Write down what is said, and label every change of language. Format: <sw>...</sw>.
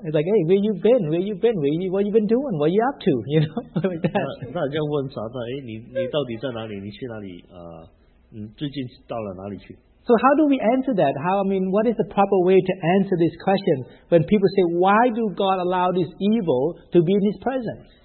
<en>It's like, hey, where you been? Where you been? Where you, what you been doing? What are you up to? You know, like that.</en> <zh>那人家问撒旦, 哎, 你到底在哪里? 你去哪里?最近到了哪里去?</zh> <en>So how do we answer that? What is the proper way to answer this question when people say, why do God allow this evil to be in His presence?</en>